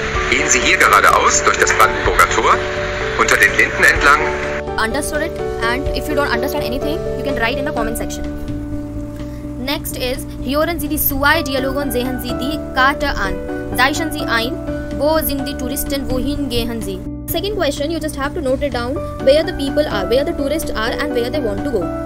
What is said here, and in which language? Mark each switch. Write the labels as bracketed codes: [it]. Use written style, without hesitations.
[de] Gehen Sie hier geradeaus durch das Brandenburger Tor, unter den Linden entlang. [en] Understood it? And if you don't understand anything, you can write in the comment section. Next is, [de] hören Sie die zwei Dialoge und sehen Sie die Karte an. Zeichnen Sie ein, wo sind die Touristen, wohin gehen Sie? [en] Second question, you just have to note it down, where the people are, where the tourists are and where they want to go.